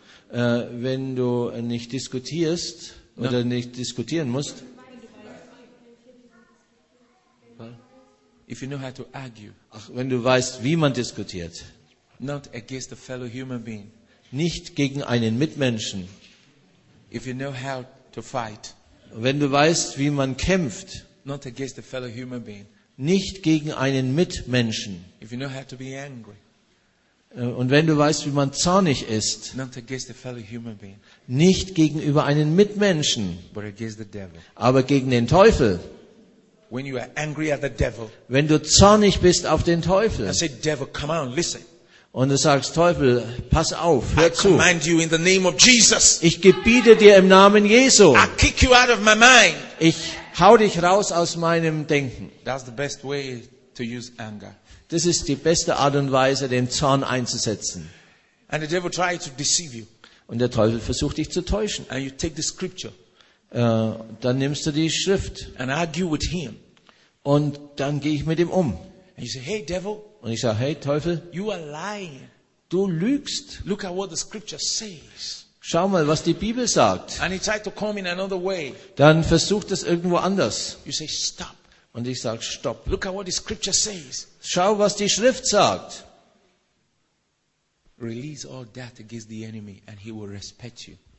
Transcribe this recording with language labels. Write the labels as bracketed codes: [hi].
[de] Wenn du nicht diskutierst oder nicht diskutieren musst. [en] If you know how to argue. [de] Ach, wenn du weißt, wie man diskutiert. [en] Not against a fellow human being. [de] Nicht gegen einen Mitmenschen. [en] If you know how to fight. [de] Wenn du weißt, wie man kämpft. [en] not against a fellow human being. [de] Nicht gegen einen Mitmenschen. [en] If you know how to be angry. [de] Und wenn du weißt, wie man zornig ist, [en] not against a fellow human being. [de] Nicht gegenüber einem Mitmenschen, [en] but against the devil. [de] Aber gegen den Teufel. [en] When you are angry at the devil. [de] Wenn du zornig bist auf den Teufel. [en] I say, devil, come on, listen. [de] Und du sagst, Teufel, pass auf, hör zu. [en] I command you in the name of Jesus. [de] Ich gebiete dir im Namen Jesu. [en] I kick you out of my mind. [de] Ich hau dich raus aus meinem Denken. [en] That's the best way to use anger. [de] Das ist die beste Art und Weise, den Zorn einzusetzen. [en] And the devil tried to deceive you. [de] Und der Teufel versucht dich zu täuschen. [en] And you take the scripture. [de] Dann nimmst du die Schrift. [en] And argue with him. [de] Und dann gehe ich mit ihm um. [en] And you say, hey, devil. [de] Und ich sage, hey Teufel, [en] you are lying. [de] Du lügst. [en] Look at what the scripture says. [de] Schau mal, was die Bibel sagt. [en] And he tried to come in another way. [de] Dann versucht es irgendwo anders. [en] You say, stop. [de] Und ich sage, stopp. [en] Look at what the scripture says. [de] Schau, was die Schrift sagt. [en] Release all that against the enemy and he will respect you.